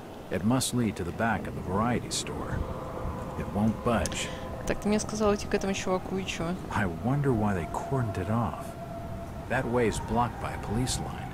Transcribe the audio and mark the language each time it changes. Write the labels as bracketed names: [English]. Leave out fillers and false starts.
[English] It must lead to the back of the variety store. It won't budge. [Russian] Так ты мне сказал идти к этому чуваку и чё? [English] I wonder why they cordoned it off. That way is blocked by a police line.